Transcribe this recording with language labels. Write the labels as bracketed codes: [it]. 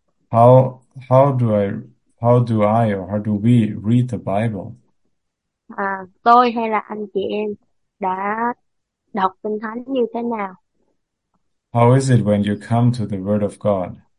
[en] How do I or how do we read the Bible? [vi] Tôi hay là anh chị em đã đọc Kinh Thánh như thế nào? [en] How is it when you come to the Word of God?